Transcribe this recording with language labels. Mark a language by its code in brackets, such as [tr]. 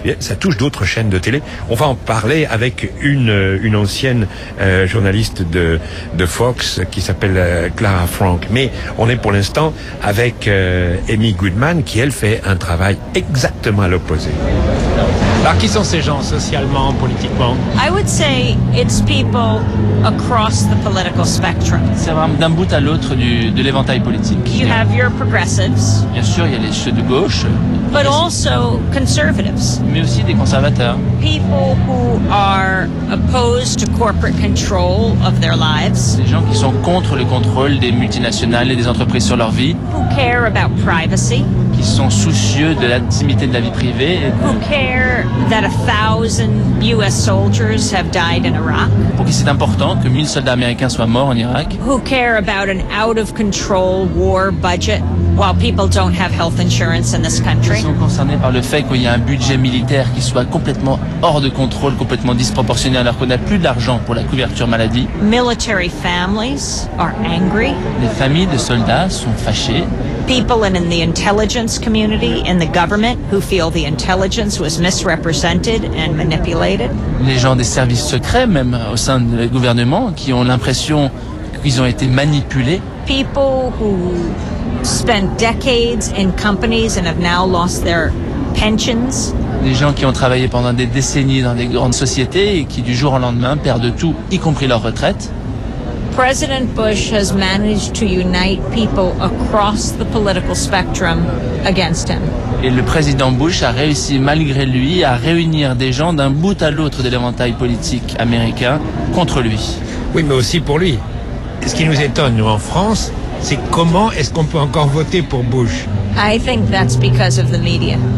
[fr] Ça touche d'autres chaînes de télé. On va en parler avec une ancienne journaliste de Fox qui s'appelle Clara Frank. Mais on est pour l'instant avec Amy Goodman, qui elle fait un travail exactement à l'opposé. Alors qui sont ces gens socialement, politiquement? [en] I would say it's people across the political spectrum. [fr] Ça va d'un bout à l'autre de l'éventail politique. [en] You have your progressives. [fr] Bien sûr, il y a les ceux de gauche. [en] But also conservatives. [fr] Mais aussi des conservateurs. [en] People who are opposed to corporate control of their lives. [fr] Des gens qui sont contre le contrôle des multinationales et des entreprises sur leur vie. [en] Who care about privacy. [fr] Qui sont soucieux de l'intimité de la vie privée. [en] Who care that 1,000 US soldiers have died in Iraq. [fr] Pour qui c'est important que 1,000 soldats américains soient morts en Irak. [en] Who care about an out of control war budget while people don't have health insurance in this country. [fr] Ils sont concernés par le fait qu'il y a un budget militaire qui soit complètement hors de contrôle, complètement disproportionné, alors qu'on n'a plus d'argent pour la couverture maladie. [en] Military families are angry. [fr] Les familles de soldats sont fâchées. [en] People in the intelligence community, in the government, who feel the intelligence was misrepresented and manipulated. [fr] Les gens des services secrets, même au sein du gouvernement, qui ont l'impression qu'ils ont été manipulés. [en] People who spent decades in companies and have now lost their pensions. [fr] Des gens qui ont travaillé pendant des décennies dans des grandes sociétés et qui du jour au lendemain perdent tout, y compris leur retraite. [en] President Bush has managed to unite people across the political spectrum against him. [fr] Et le président Bush a réussi malgré lui à réunir des gens d'un bout à l'autre de l'éventail politique américain contre lui. Oui, mais aussi pour lui. Ce qui nous étonne, nous en France, c'est comment est-ce qu'on peut encore voter pour Bush? [en] I think that's because of the media.